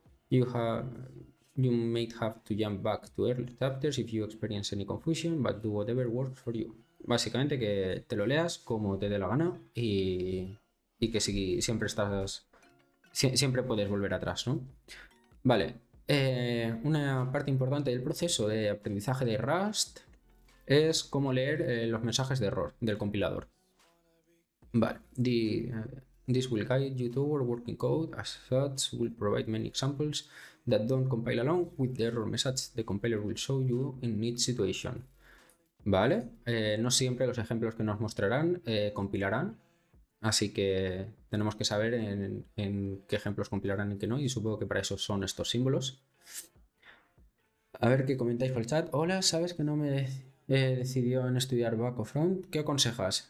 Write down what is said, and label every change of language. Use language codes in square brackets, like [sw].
[en] You may have to jump back to early chapters if you experience any confusion, but do whatever works for you. [es] Básicamente que te lo leas como te dé la gana y que siempre puedes volver atrás, ¿no? Vale, una parte importante del proceso de aprendizaje de Rust es cómo leer los mensajes de error del compilador. Vale, [en] This will guide you toward working code, as such will provide many examples that don't compile along with the error message the compiler will show you in each situation. [es] ¿Vale? No siempre los ejemplos que nos mostrarán compilarán, así que tenemos que saber en qué ejemplos compilarán y qué no, y supongo que para eso son estos símbolos. A ver qué comentáis por el chat. Hola, ¿sabes que no me he decidido en estudiar back o front? ¿Qué aconsejas?